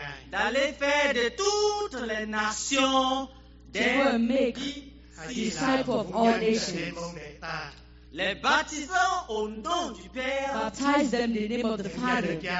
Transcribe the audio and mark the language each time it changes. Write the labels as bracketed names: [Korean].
[French] d'aller faire de toutes les nations des [English] disciples of all nations, [French] les baptisant au nom du Père, [English] baptize them in the name of the Father,